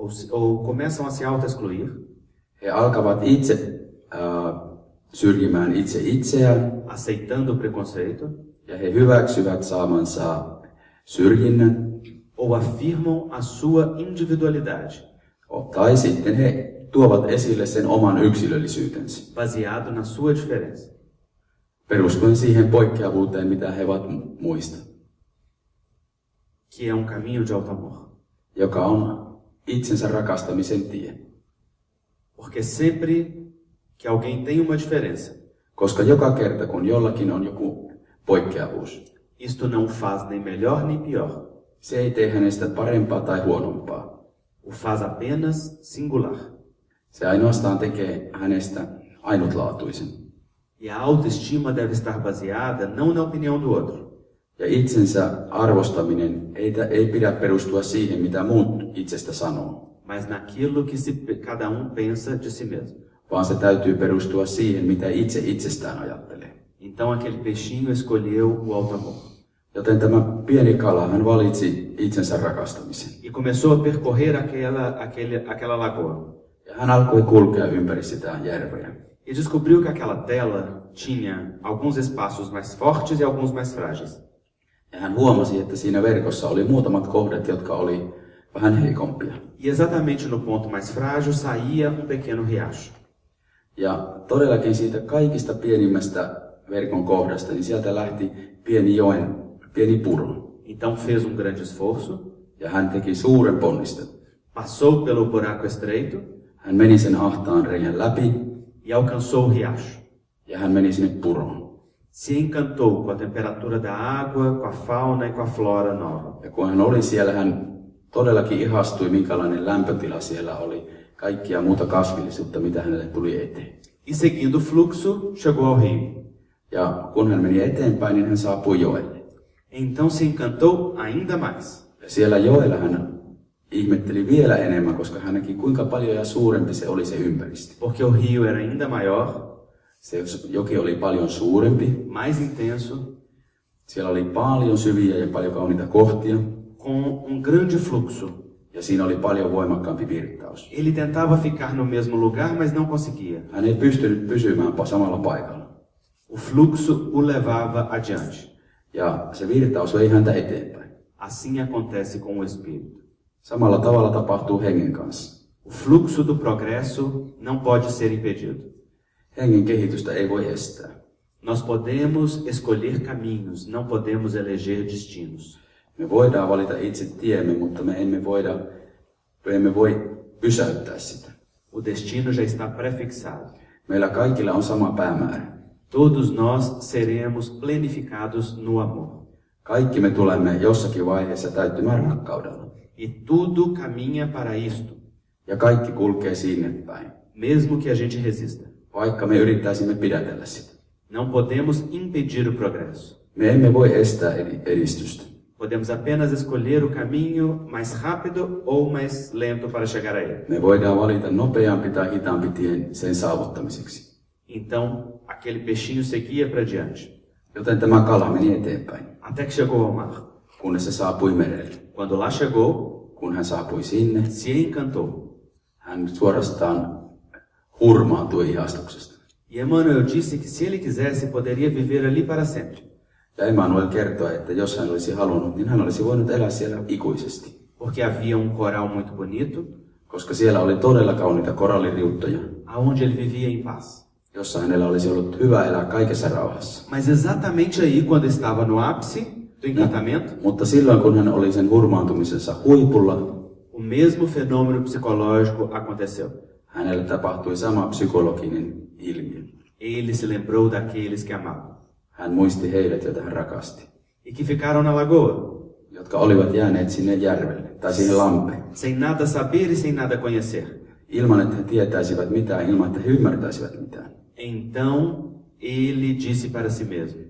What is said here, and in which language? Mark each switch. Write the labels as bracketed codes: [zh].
[pt] ou começam a se auto-excluir. [fi] He alkavat itse syrjimään itse itseään, [pt] aceitando o preconceito, [fi] ja he hyväksyvät saamansa syrjinnän, [pt] ou afirmam a sua individualidade, [fi] tai sitten he tuovat esille sen oman yksilöllisyytensä, [pt] baseado na sua diferença, [fi] perustuen siihen poikkeavuuteen, mitä he ovat muista, [pt] que é caminho de auto-amor, [fi] joka on itsensä rakastamisen tie. [pt] Porque sempre que alguém tem uma diferença, [fi] koska joka kerta, kun jollakin on joku poikkeavuus, [pt] isto não faz nem melhor nem pior, [fi] se ei tee hänestä parempaa tai huonompaa, [pt] o faz apenas singular, [fi] se ainoastaan tekee hänestä ainutlaatuisen. [pt] E a autoestima deve estar baseada não na opinião do outro, [fi] ja itsensä arvostaminen ei pidä perustua siihen, mitä muut itsestä sanoo, [pt] mas naquilo que cada pensa de si mesmo. [fi] Vaan se täytyy perustua siihen, mitä itse itsestään ajattelee. [pt] Então aquele peixinho escolheu o auto-amor. [fi] Joten tämä pieni kala, hän valitsi itsensä rakastamisen. [pt] E começou a percorrer aquela lagoa. [fi] Ja hän alkoi kulkea ympäri sitä järveä. [pt] E descobriu que aquela tela tinha alguns espaços mais fortes e alguns mais frágeis. [fi] Ja hän huomasi, että siinä verkossa oli muutamat kohdat, jotka oli vähän heikompia. [pt] E exatamente no ponto mais frágil saía pequeno riacho. [fi] Ja todellakin siitä kaikista pienimmästä verkon kohdasta, niin sieltä lähti pieni joen, pieni puro. [pt] Então fez grande esforço. [fi] Ja hän teki suuren ponnistun. [pt] Passou pelo buraco estreito. [fi] Hän meni sen ahtaan reijän läpi. [pt] E alcançou o riacho. [fi] Ja hän meni sinne puroon. [pt] Se encantou com a temperatura da água, com a fauna e com a flora nova. [fi] Ja kun hän oli siellä, hän todellakin ihastui, minkälainen lämpötila siellä oli, kaikkia muuta kasvillisuutta, mitä hänelle tuli eteen. [pt] E seguindo o fluxo, chegou ao rio. [fi] Ja kun hän meni eteenpäin, niin hän saapui joelle. [pt] Então se encantou ainda mais. [fi] Ja siellä joella hän ihmetteli vielä enemmän, koska hän näki, kuinka paljon ja suurempi se oli se ympäristö. [pt] Porque o rio era ainda maior. [fi] Se joki oli paljon suurempi, [pt] mais intenso, [fi] siellä oli paljon syviä ja paljon kauniita kohtia, [pt] com um grande fluxo, [fi] ja siinä oli paljon voimakkaampi virtaus. [pt] Ele tentava ficar no mesmo lugar, mas não conseguia. [fi] Hän ei pystynyt pysymään samalla paikalla. [pt] O fluxo o levava adiante. [fi] Ja se virtaus vei häntä eteenpäin. [pt] Assim acontece com o espírito. [fi] Samalla tavalla tapahtuu hengen kanssa. [pt] O fluxo do progresso não pode ser impedido. [fi] Hengen kehitystä ei voi estää. [pt] Nós podemos escolher caminhos, não podemos eleger destinos. [fi] Me voidaan valita itse tiemme, mutta me emme voi pysäyttää sitä. [pt] O destino já está prefixado. [fi] Meillä kaikilla on sama päämäärä. [pt] Todos nós seremos plenificados no amor. [fi] Kaikki me tulemme jossakin vaiheessa täyttymään rakkaudella. [pt] E tudo caminha para isto. [fi] Ja kaikki kulkee sinne päin. [pt] Mesmo que a gente resista. [fi] Vaikka me yrittäisimme pidätellä sitä. [pt] Não podemos impedir o progresso. [fi] Me emme voi estää edistystä. [pt] Podemos apenas escolher o caminho mais rápido ou mais lento para chegar a ele. [fi] Me voidaan valita nopeampi tai hitaampi tien sen saavuttamiseksi. [pt] Então, aquele peixinho seguia para diante. [fi] Joten tämä kala meni eteenpäin. [pt] Até que chegou ao mar. [fi] Kunnes se saapui merelle. [pt] Quando lá chegou. [fi] Kun hän saapui sinne. [pt] Se encantou. [fi] Hän suorastaan hurmaantui ihastuksesta. [pt] E Emmanuel disse que se ele quisesse, poderia viver ali para sempre. [fi] Ja Emmanuel kertoi, että jos hän olisi halunnut, niin hän olisi voinut elää siellä ikuisesti. [pt] Porque havia um coral muito bonito. [fi] Koska siellä oli todella kauniita koralliriuttoja. [pt] Aonde ele vivia em paz. [fi] Jossa hänellä olisi ollut hyvä elää kaikessa rauhassa. [pt] Mas exatamente aí, quando estava no ápice do encantamento. [fi] Mutta silloin, kun hän oli sen hurmaantumisensa huipulla. [pt] O mesmo fenômeno psicológico aconteceu. [fi] Hänelle tapahtui sama psykologinen ilmiö. [pt] Ele se lembrou daqueles que amava. [fi] Hän muisti heidät, joita hän rakasti. [pt] E que ficaram na lagoa. [fi] Jotka olivat jääneet sinne järvelle, tai siihen lampeen. [pt] Sem nada saber e sem nada conhecer. [fi] Ilman, että he tietäisivät mitään, ilman, että he ymmärtäisivät mitään. [pt] Então, ele disse para si mesmo.